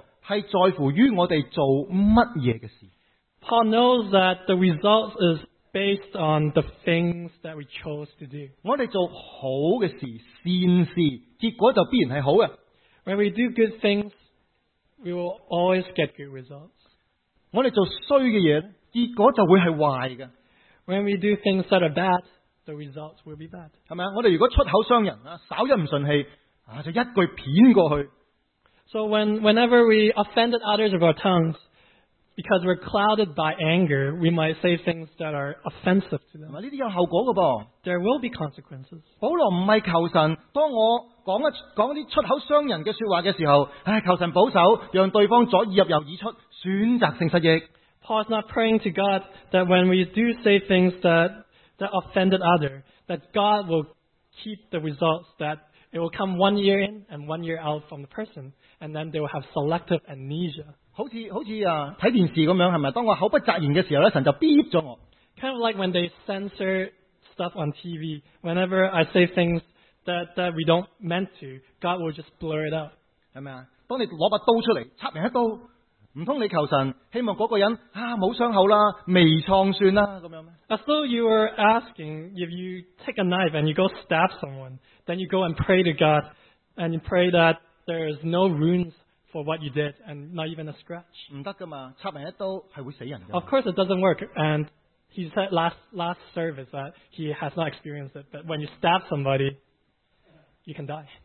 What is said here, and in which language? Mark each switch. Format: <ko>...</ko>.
<zh>保罗他知道事情的结果是在乎于我们做什么的事。</zh> <en>Paul knows that the results is based on the things that we chose to do.</en> <zh>我们做好的事,善事,结果就必然是好的。</zh> <en>When we do good things, we will always get good results.</en> <zh>我们做衰的事,结果就会是坏的。</zh> <en>When we do things that are bad, the results will be bad.</en> <zh>是吧? 我们如果出口伤人,稍微不顺气, 就一句片过去,</zh> <en>so whenever we offended others with our tongues, because we're clouded by anger, we might say things that are offensive to them.</en> <zh>这些有后果的噃,</zh> <en>there will be consequences.</en> <zh>保罗不是求神, 当我讲出口伤人的说话的时候, 求神保守, 让对方左耳入右耳出, 选择性失忆。</zh> <en>Paul is not praying to God that when we do say things that offended others, that God will keep the results that it will come 1 year in and 1 year out from the person, and then they will have selective amnesia.</en> <zh>好像看电视那样, 是不是? 当我口不择言的时候, 神就beep了我。</zh> <en>Kind of like when they censor stuff on TV, whenever I say things that we don't meant to, God will just blur it out.</en> <zh>是不是?当你拿把刀出来, 插人一刀, 难道你求神, 希望那个人, 啊, 没伤口啦, 微创算啦, 这样吗?</zh> <en>As though you were asking, if you take a knife and you go stab someone, then you go and pray to God, and you pray that there is no wounds for what you did, and not even a scratch.</en> <zh>不行的嘛, 插人一刀是会死人的。</zh> <en>Of course it doesn't work, and he said last service that he has not experienced it, but when you stab somebody, you can die.</en>